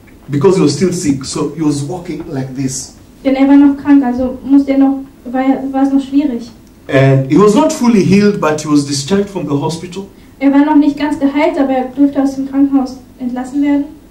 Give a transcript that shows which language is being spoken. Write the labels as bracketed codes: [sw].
[en] Because he was still sick, so he was walking like this. [de] Denn er war noch krank, also musste er noch war es noch schwierig. [en] And he was not fully healed, but he was discharged from the hospital. [de] Er war noch nicht ganz geheilt, aber er durfte aus dem Krankenhaus entlassen werden.